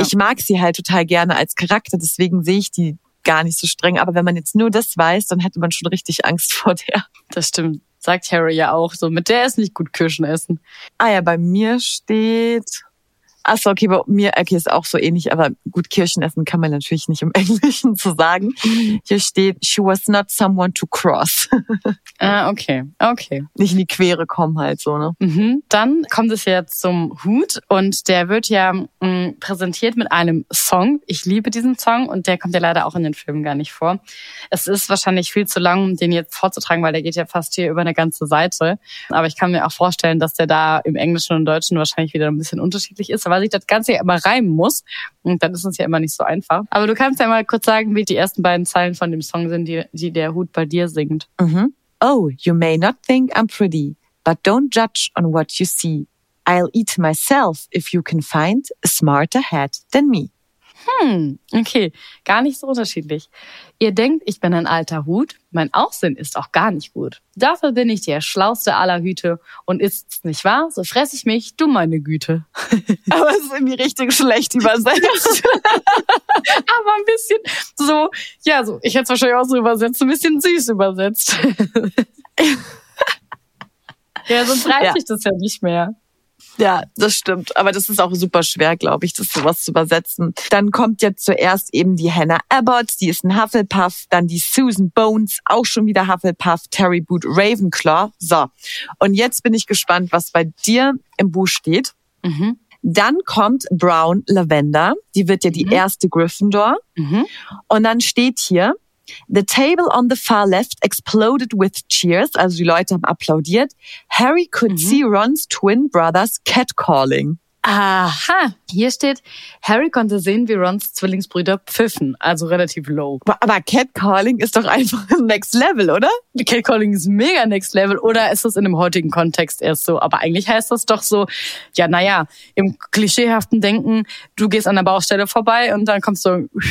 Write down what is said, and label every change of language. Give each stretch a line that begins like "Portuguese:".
German: ich mag sie halt total gerne als Charakter, deswegen sehe ich die gar nicht so streng. Aber wenn man jetzt nur das weiß, dann hätte man schon richtig Angst vor der. Das stimmt, sagt Harry ja auch so. Mit der ist nicht gut Kirschen essen. Ah ja, bei mir steht, Ach so, okay, bei mir ist auch so ähnlich, aber gut, Kirschenessen kann man natürlich nicht im Englischen so sagen.
English: Hier steht, she was not someone to cross.
German: Okay. Nicht in die Quere kommen halt so, ne? Mhm. Dann kommt es jetzt zum Hut und der wird ja präsentiert mit einem Song. Ich liebe diesen Song und der kommt ja leider auch in den Filmen gar nicht vor. Es ist wahrscheinlich viel zu lang, um den jetzt vorzutragen, weil der geht ja fast hier über eine ganze Seite. Aber ich kann mir auch vorstellen, dass der da im Englischen und Deutschen wahrscheinlich wieder ein bisschen unterschiedlich ist, weil sich das Ganze ja immer reimen muss. Und dann ist es ja immer nicht so einfach. Aber du kannst ja mal kurz sagen, wie die ersten beiden Zeilen von dem Song sind, die der Hut bei dir singt. Mhm.
English: Oh, you may not think I'm pretty, but don't judge on what you see. I'll eat myself if you can find a smarter head than me.
German: Okay, gar nicht so unterschiedlich. Ihr denkt, ich bin ein alter Hut, mein Aussehen ist auch gar nicht gut. Dafür bin ich der schlauste aller Hüte und ist's nicht wahr, so fress ich mich, du meine Güte. Aber es ist irgendwie richtig schlecht übersetzt. Aber ein bisschen so, ja, so, ich hätte es wahrscheinlich auch so übersetzt, ein bisschen süß übersetzt. Ja, sonst reicht sich das ja nicht mehr. Ja, das stimmt. Aber das ist auch super schwer, glaube ich, das sowas zu übersetzen. Dann kommt jetzt zuerst eben die Hannah Abbott, die ist ein Hufflepuff. Dann die Susan Bones, auch schon wieder Hufflepuff. Terry Boot, Ravenclaw. So, und jetzt bin ich gespannt, was bei dir im Buch steht. Mhm. Dann kommt Brown Lavender, die wird ja die erste Gryffindor. Mhm.
English: Und dann steht hier, the table on the far left exploded with cheers.
German: Also die Leute haben applaudiert.
English: Harry could see Rons twin brothers catcalling.
German: Aha, hier steht, Harry konnte sehen, wie Rons Zwillingsbrüder pfiffen. Also relativ low. Aber catcalling ist doch einfach next level, oder? Catcalling ist mega next level. Oder ist das in dem heutigen Kontext erst so? Aber eigentlich heißt das doch so, ja, naja, im klischeehaften Denken, du gehst an der Baustelle vorbei und dann kommst du...